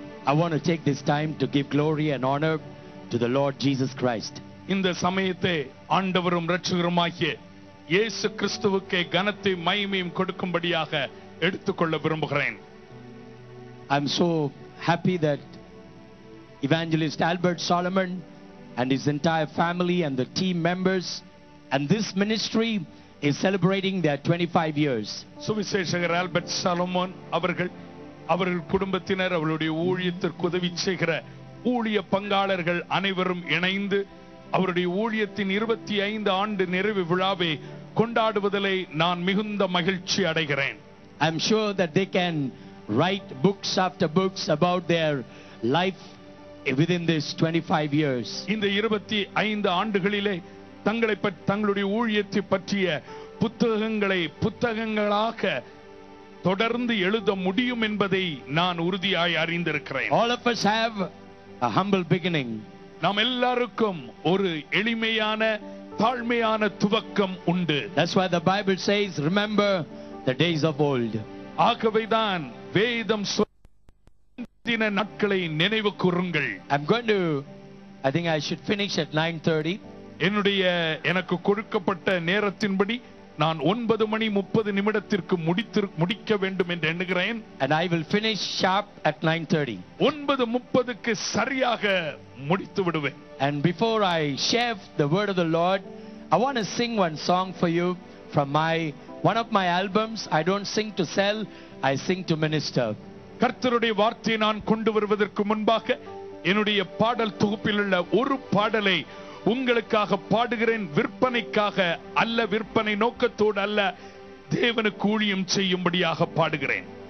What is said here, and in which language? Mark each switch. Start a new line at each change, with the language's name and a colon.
English: I want to take this time to give glory and honor to the Lord Jesus Christ.
Tamil: இந்த சமயத்தை ஆண்டவரும் இரட்சகருமாகிய இயேசு கிறிஸ்துவுக்கே கனத்தை மகிமையும் கொடுக்கும்படியாக எடுத்துக்கொள்ள விரும்புகிறேன்.
English: I'm so happy that evangelist Albert Solomon and his entire family and the team members and this ministry is celebrating their 25 years.
Tamil: சுவிசேஷகர் Albert Solomon அவர்கள் அவர்கள் குடும்பத்தினர் அவருடைய ஊழியத்திற்கு உதவி செய்கிற ஊழிய பங்காளர்கள் அனைவரும் இணைந்து அவருடைய ஊழியத்தின் 25 ஆண்டு நிறைவு விழாவை கொண்டாடுவதிலே நான் மிகுந்த மகிழ்ச்சி அடைகிறேன்.
English: I'm sure that they can write books after books about their life within this 25 years.
Tamil: இந்த 25 ஆண்டுகளிலே தங்களை பற்றி தங்களுடைய ஊழியத்தை பற்றிய புத்தகங்களை புத்தகங்களாக தொடர்ந்து எழுத முடியும் என்பதை நான் உறுதியாய் அறிந்திருக்கிறேன்.
English: All of us have a humble beginning.
Tamil: நாம் எல்லாருக்கும் ஒரு எளிமையான தாழ்மையான துவக்கம் உண்டு.
English: That's why the Bible says, remember the days of old.
Tamil: ஆகவேதான் வேதம் சொன்ன நாட்களை நினைவு கூறுங்கள்.
English: I'm going to, I think I should finish at 9:30.
Tamil: என்னுடைய எனக்கு கொடுக்கப்பட்ட நேரத்தின்படி நான் 9:30 முடிக்க வேண்டும் என்று எண்ணுகிறேன்.
English: And I will finish sharp at 9:30.
Tamil: 9:30 சரியாக முடித்து விடுவேன்.
English: And before I share the word of the Lord, I want to sing one song for you from one of my albums. I don't sing to sell, I sing to minister.
Tamil: கர்த்தருடைய வார்த்தையை நான் கொண்டு வருவதற்கு முன்பாக என்னுடைய பாடல் தொகுப்பில் உள்ள ஒரு பாடலை உங்களுக்காக பாடுகிறேன். விற்பனைக்காக அல்ல, விற்பனை நோக்கத்தோடு அல்ல, தேவனுக்கு ஊழியம் செய்யும்படியாக பாடுகிறேன்.